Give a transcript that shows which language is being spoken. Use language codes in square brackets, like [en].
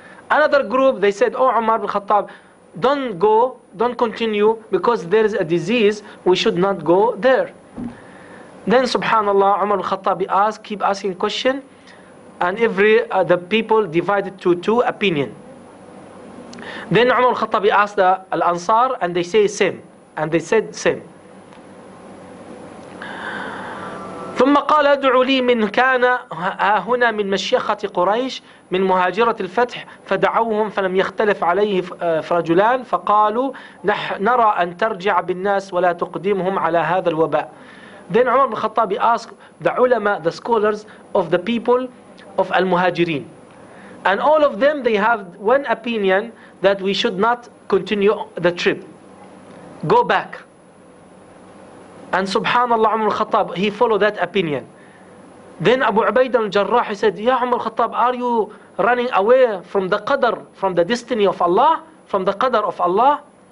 [en] Another group, they said, oh Umar bin Khattab, don't go, don't continue because there is a disease, we should not go there. Then subhanallah, Umar bin Khattab keep asking question, and the people divided to two opinion. Then Umar bin Khattab asked the Al-Ansar and they say same. And they said same. [ar] ثم قال ادعوا لي من كان هنا من مشيخة قريش من مهاجرة الفتح فدعوهم فلم يختلف عليه فرجلان فقالوا نرى أن ترجع بالناس ولا تقدمهم على هذا الوباء. [en] Then Umar bin Khattab asked the ulama, the scholars of the people of al-Muhajirin. And all of them, they have one opinion that we should not continue the trip. Go back. And subhanallah, Umar al-Khattab, he followed that opinion. Then Abu Ubaidah al-Jarrah, he said, Ya Umar al-Khattab, are you running away from the qadr, from the destiny of Allah, from the qadr of Allah?